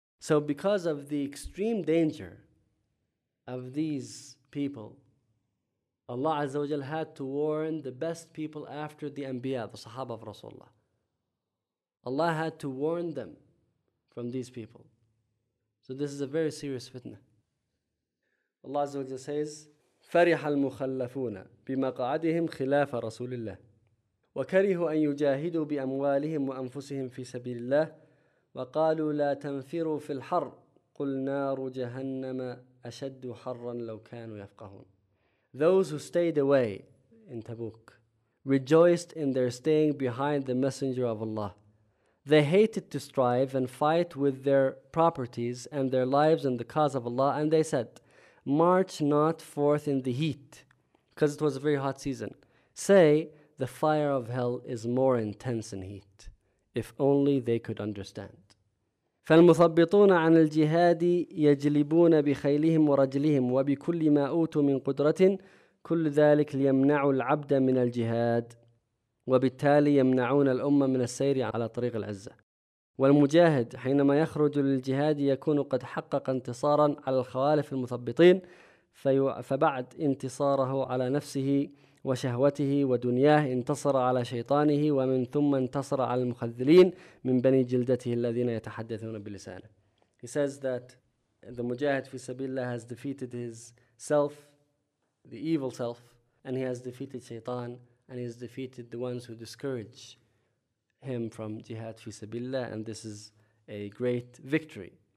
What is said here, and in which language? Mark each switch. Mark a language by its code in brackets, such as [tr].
[en] So because of the extreme danger of these people, Allah Azza wa Jal had to warn the best people after the Anbiya, the Sahaba of Rasulullah. Allah had to warn them from these people. So this is a very serious fitna. Allah Azza wa Jal says, [ar] فَرِحَ الْمُخَلَّفُونَ بِمَقَعَدِهِمْ خِلَافَ رَسُولِ اللَّهِ وَكَرِهُ أَن يُجَاهِدُوا بِأَمْوَالِهِمْ وَأَنفُسِهِمْ فِي سَبِيلِ اللَّهِ وَقَالُوا لَا تَنْفِرُوا فِي الْحَرِّ قُلْ نَارُ جَهَنَّمَ أَشَدُّ حَرًّا لَوْ كَانُوا يَفْقَهُونَ. [en] Those who stayed away in Tabuk rejoiced in their staying behind the Messenger of Allah. They hated to strive and fight with their properties and their lives in the cause of Allah, and they said, march not forth in the heat, because it was a very hot season. Say, the fire of hell is more intense in heat. If only they could understand. [ar] فَالْمُثَبِّطُونَ عَنِ الْجِهَادِ يَجْلِبُونَ بِخَيْلِهِمْ وَرَجْلِهِمْ وَبِكُلِّ مَا أُوتُوا مِنْ قُدْرَةٍ كُلُّ ذَلِكَ لِيَمْنَعُوا الْعَبْدَ مِنَ الْجِهَادِ وَبِالتَّالِي يَمْنَعُونَ الْأُمَّةَ مِنَ السَّيْرِ عَلَى طَرِيقِ الْعِزَّةِ. والمجاهد حينما يخرج للجهاد يكون قد حقق انتصارا على الخوالف المثبطين فبعد انتصاره على نفسه وشهوته ودنياه انتصر على شيطانه ومن ثم انتصر على المخذلين من بني جلدته الذين يتحدثون بلسانه. [en] He says that the mujahid fi sabilillah has defeated his self, the evil self, and he has defeated shaitan, and he has defeated the ones who discourage him from jihad fi sabilillah, and this is a great victory.